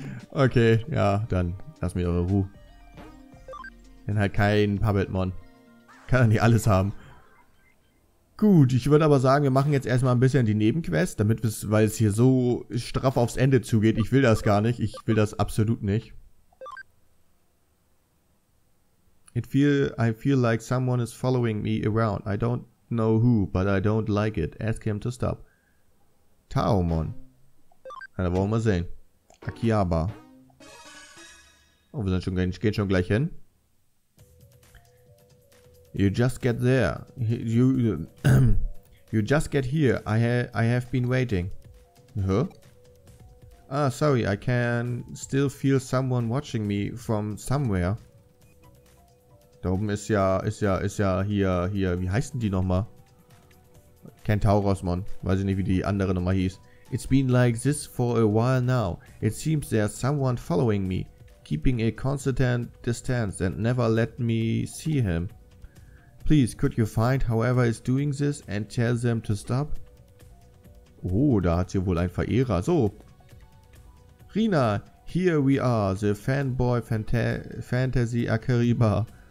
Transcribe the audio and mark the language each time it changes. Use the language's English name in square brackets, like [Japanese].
[German] Okay, ja, dann lass mich eure Ruhe. Denn halt kein Puppetmon. Kann ja nicht alles haben. Gut, ich würde aber sagen, wir machen jetzt erstmal ein bisschen die Nebenquest, damit es, weil es hier so straff aufs Ende zugeht. Ich will das gar nicht. Ich will das absolut nicht. [English] I feel like someone is following me around. I don't know who, but I don't like it. Ask him to stop. Taomon. [German] Na, da wollen wir sehen. [English] Akiaba. [German] Oh, wir sind schon, gehen schon gleich hin. [English] You just get there. You just get here. I have been waiting. Huh? Ah, sorry. I can still feel someone watching me from somewhere. [German] Da oben ist ja hier, wie heißen die nochmal? Kentaurosmon. Weiß ich nicht, wie die andere nochmal hieß. [English] It's been like this for a while now. It seems there's someone following me, keeping a constant distance and never let me see him. Please, could you find whoever is doing this and tell them to stop? [German] Oh, da hat sie wohl ein Verehrer. So. Rina, [English] here we are, the fanboy fantasy [German] Akariba.